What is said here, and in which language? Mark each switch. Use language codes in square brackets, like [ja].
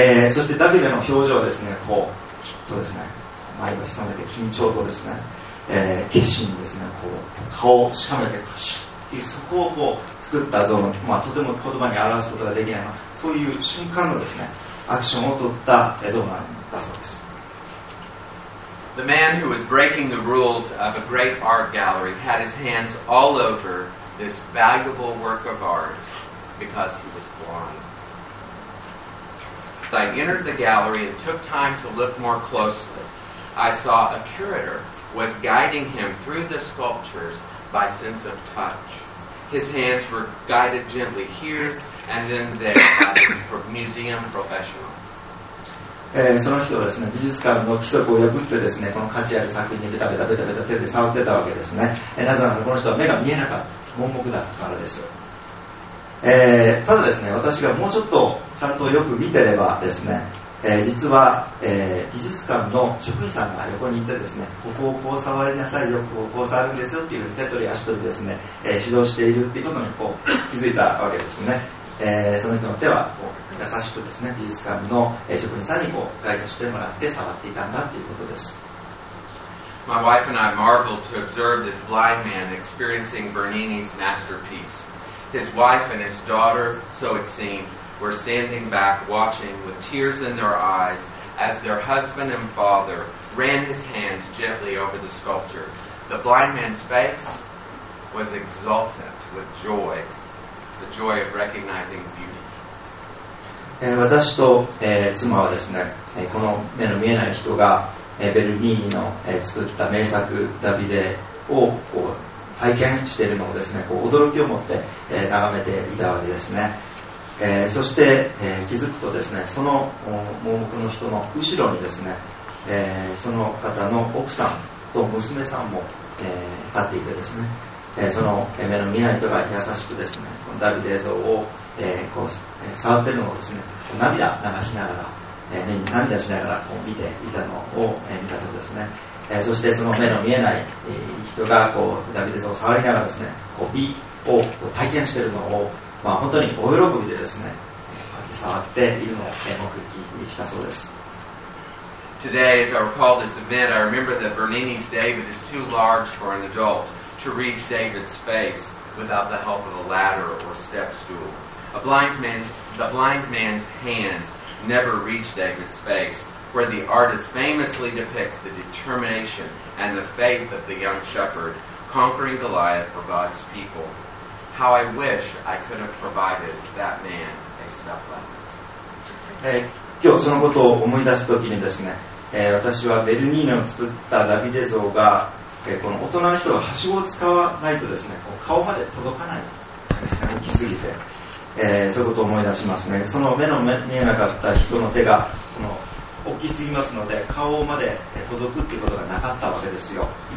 [ja] そしてダビデの表情はですね、こうきっとですね、前を潜めて緊張とですね、決心ですね、こう顔をしかめてシュッていう、そこをこう作った像の、まあ、とても言葉に表すことができないような、そういう瞬間のですね、アクションを取った像なんだそうです。 [en] The man who was breaking the rules of a great art gallery had his hands all over this valuable work of art because he was blind. As I entered the gallery and took time to look more closely, I saw a curator was guiding him through the sculptures by sense of touch. His hands were guided gently here and then there by the museum professional. [ja] その人はですね、美術館の規則を破ってですね、この価値ある作品にベタベタベタベタ手で触ってたわけですね。なぜならこの人は目が見えなかった、盲目だったからです。ただですね、私がもうちょっとちゃんとよく見てればですね、実は、美術館の職員さんが横にいてですね、ここをこう触りなさいよ、ここをこう触るんですよっていうふうに手取り足取りですね、指導しているっていうことにこう気づいたわけですね。その人の手はこう優しくですね、美術館の職員さんにこうガイドしてもらって触っていたんだということです。 [en] My wife and I marveled to observe this blind man experiencing Bernini's masterpiece. His wife and his daughter, so it seemed, were standing back watching with tears in their eyes as their husband and father ran his hands gently over the sculpture. The blind man's face was exultant with joy. The joy of recognizing beauty. [ja] 私と、妻はですね、この目の見えない人が、ベルギーの、作った名作ダビデをこう体験しているのをですね、こう驚きを持って、眺めていたわけですね。そして、気づくとですね、その盲目の人の後ろにですね、その方の奥さんと娘さんも、立っていてですね、その目の見えない人が優しくですね、このダビデ像を、こう触っているのをですね、涙流しながら、目に涙しながらこう見ていたのを、見たそうですね、そしてその目の見えない、人がこうダビデ像を触りながらですね、こう美をこう体験しているのを、まあ、本当に大喜びでですね、こうやって触っているのを目撃したそうです。 [en] Today, as I recall this event, I remember that Bernini's David is too large for an adult to reach David's face without the help of a ladder or step stool. The blind man's hands never reach David's face, where the artist famously depicts the determination and the faith of the young shepherd conquering Goliath for God's people. How I wish I could have provided that man a step ladder. [ja] Hey, 今日そのことを思い出すときにですね、私はベルニーノの作ったダビデ像が、この大人の人ははしごを使わないとですね、顔まで届かない大きすぎて、そういうことを思い出しますね。その目の見えなかった人の手がその大きすぎますので、顔まで届くっていうことがなかったわけですよ。